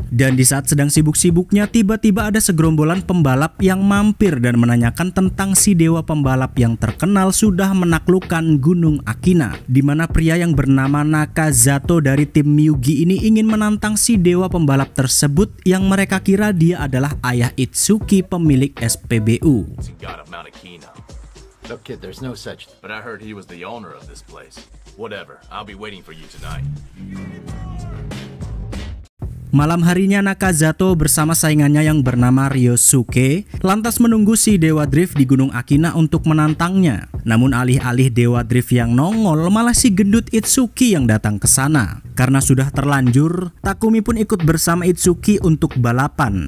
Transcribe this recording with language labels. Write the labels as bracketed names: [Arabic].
[Indonesian] Dan di saat sedang sibuk-sibuknya, tiba-tiba ada segerombolan pembalap yang mampir dan menanyakan tentang si dewa pembalap yang terkenal sudah menaklukkan Gunung Akina, di mana pria yang bernama Nakazato dari tim Miyugi ini ingin menantang si dewa pembalap tersebut yang mereka kira dia adalah ayah Itsuki pemilik SPBU. [English] Look, kid, there's no such. But I heard he was the owner of this place. Whatever, I'll be waiting for you tonight. [Indonesian] Malam harinya, Nakazato bersama saingannya yang bernama Ryosuke lantas menunggu si Dewa Drift di Gunung Akina untuk menantangnya. Namun alih-alih Dewa Drift yang nongol, malah si gendut Itsuki yang datang ke sana. Karena sudah terlanjur, Takumi pun ikut bersama Itsuki untuk balapan.